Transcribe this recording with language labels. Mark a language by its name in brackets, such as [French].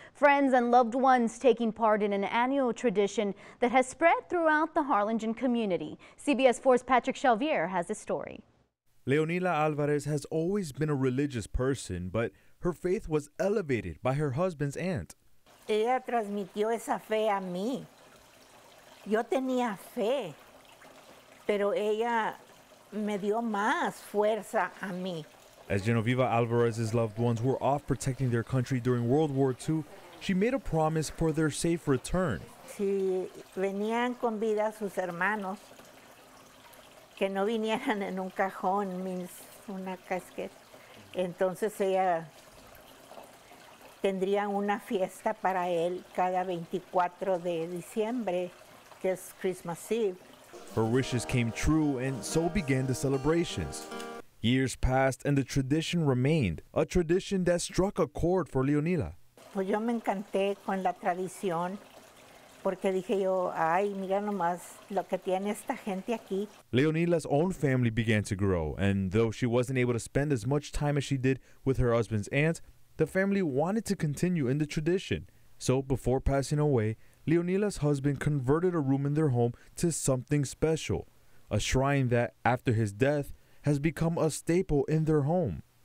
[English] Friends and loved ones taking part in an annual tradition that has spread throughout the Harlingen community. CBS 4's Patrick Chalvier has a story. Leonila Alvarez has always been a religious person, but her faith was elevated by her husband's aunt. [Spanish] Ella transmitió esa fe a mí. Yo tenía fe, pero ella me dio más fuerza a mí. [English] As Genoveva Alvarez's loved ones were off protecting their country during World War II, she made a promise for their safe return. [Spanish] Si venían con vida sus hermanos, que no vinieran en un cajón, means una casqueta. Entonces ella tendría una fiesta para él cada 24 de diciembre, que es [English] Christmas Eve. Her wishes came true, and so began the celebrations. Years passed, and the tradition remained, a tradition that struck a chord for Leonila. Pues yo me encanté con la tradición, porque dije yo, ay, mira nomás lo que tiene esta gente aquí. Leonila's own family began to grow, and though she wasn't able to spend as much time as she did with her husband's aunt, the family wanted to continue in the tradition. So before passing away, Leonila's husband converted a room in their home to something special, a shrine that, after his death, has become a staple in their home.